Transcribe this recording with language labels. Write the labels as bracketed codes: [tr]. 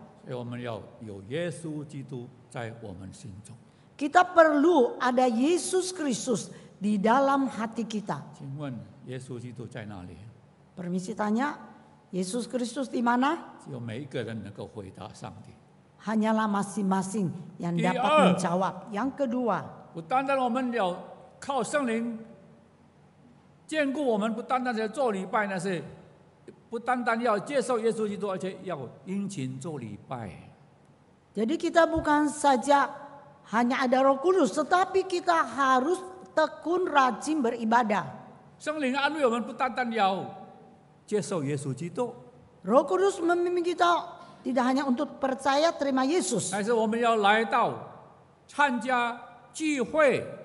[zh] 所以我们要有耶稣基督在我们心中。 [id] Kita perlu ada Yesus Kristus di dalam hati kita. [zh] 请问耶稣基督在哪里? [id] Permisi tanya, Yesus Kristus di mana? [zh] 只有每一个人能够回答上帝。 [id] Hanyalah masing-masing yang dapat menjawab. Yang kedua, [zh] 不单单我们要靠圣灵 坚固我们不单单要做礼拜，那是不单单要接受耶稣基督，而且要殷勤做礼拜。 [id] Jadi kita bukan saja hanya ada Roh Kudus, tetapi kita harus tekun rajin beribadah. [zh] 圣灵安慰我们不单单要接受耶稣基督。 [id] Roh Kudus memimpin kita tidak hanya untuk percaya terima Yesus, [zh] 还是我们要来到参加聚会。